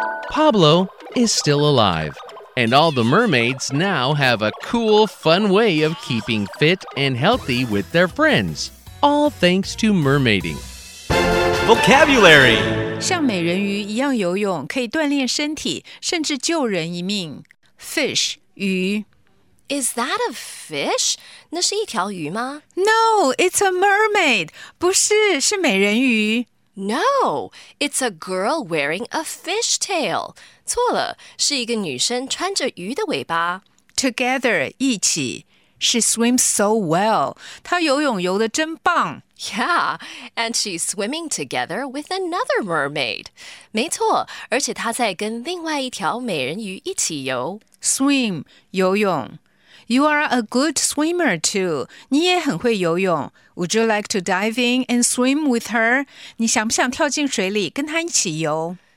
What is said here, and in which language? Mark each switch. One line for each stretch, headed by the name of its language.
English: Pablo is still alive, and all the mermaids now have a cool, fun way of keeping fit and healthy with their friends, all thanks to mermaiding. Vocabulary!
Chinese: 像美人鱼一样游泳，可以锻炼身体，甚至救人一命。
English: Fish, 鱼。 Is that a fish?
Chinese: 那是一条鱼吗？
English: No, it's a mermaid.
Chinese: 不是，是美人鱼。
English: No, it's a girl wearing a fishtail.
Chinese: 错了，是一个女生穿着鱼的尾巴。
English: Together, 一起。She swims so well.
Chinese: 她游泳游得真棒。
English: Yeah, and she's swimming together with another mermaid.
Chinese: 没错，而且她在跟另外一条美人鱼一起游。
English: Swim, 游泳。You are a good swimmer, too.
Chinese: 你也很会游泳。
English: Would you like to dive in and swim with her?
Chinese: 你想不想跳进水里跟她一起游？